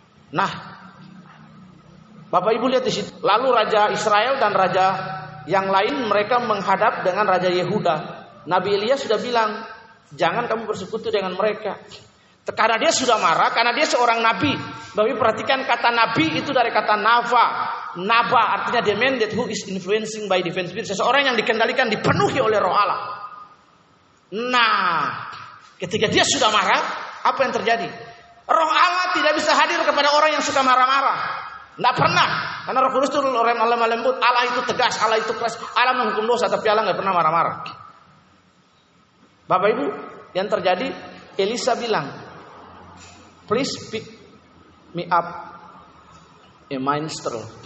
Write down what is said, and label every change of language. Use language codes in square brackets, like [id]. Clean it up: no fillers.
[id] Nah, Bapak Ibu lihat di situ. Lalu Raja Israel dan Raja yang lain, mereka menghadap dengan Raja Yehuda. Nabi Elia sudah bilang, jangan kamu bersekutu dengan mereka. Karena dia sudah marah, karena dia seorang nabi. Bapak Ibu perhatikan kata nabi itu dari kata nava. [en] Nava artinya the man that who is influencing by divine spirit. [id] Seseorang yang dikendalikan, dipenuhi oleh Roh Allah. Nah, ketika dia sudah marah, apa yang terjadi? Roh Allah tidak bisa hadir kepada orang yang suka marah-marah. Enggak pernah. Karena Roh Kudus itu lemah lembut. Allah itu tegas, Allah itu keras. Allah menghukum dosa, tapi Allah enggak pernah marah-marah. Bapak Ibu, yang terjadi Elisa bilang, [en] "Please pick me up a minstrel."